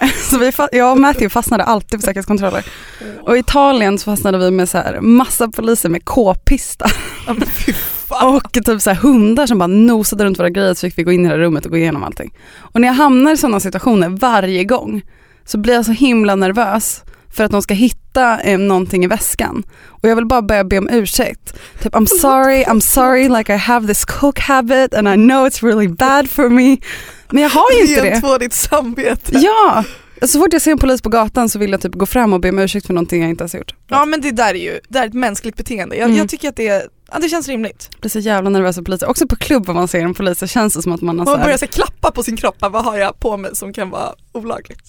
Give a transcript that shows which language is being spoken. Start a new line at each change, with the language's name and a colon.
Swedish: Så jag och Matthew fastnade alltid på säkerhetskontroller. Och i Italien så fastnade vi med så här massa poliser med k-pista. Och typ så här hundar som bara nosade runt våra grejer så fick vi gå in i det rummet och gå igenom allting. Och när jag hamnar i sådana situationer varje gång så blir jag så himla nervös. för att de ska hitta någonting i väskan. Och jag vill bara börja be om ursäkt.
English: Typ, I'm sorry, like I have this coke habit and I know it's really bad for me.
Swedish: Men jag har ju inte det. Gentvå ditt samvete. Ja, så fort jag ser en polis på gatan så vill jag typ gå fram och be om ursäkt för någonting jag inte har gjort. Ja, men det där är ju det är ett mänskligt beteende. Jag tycker att det är... Ja, det känns rimligt. Det är så jävla nervös av polisen. Också på klubb om man ser en polis, det känns som att man har... Man börjar här... klappa på sin kropp. Vad har jag på mig som kan vara olagligt?